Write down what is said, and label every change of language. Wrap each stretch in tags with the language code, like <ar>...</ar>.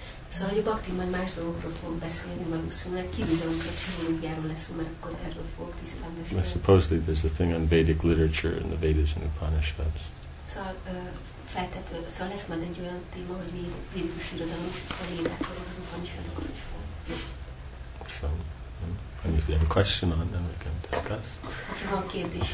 <hu>Szóval a bhakti majd más dolgokról fog beszélni valószínűleg, kívül, amikor a pszichológiáról lesz, mert akkor erről fog tisztán beszélni.</hu> <en>Supposedly there's a thing on Vedic literature in the Vedas and Upanishads.</en> <hu>Szóval szóval lesz majd egy olyan téma, hogy védikus irodalom a védákról, az Upanishadokról is fog.</hu> <en>So, and if you have a question on, then we can discuss.</en>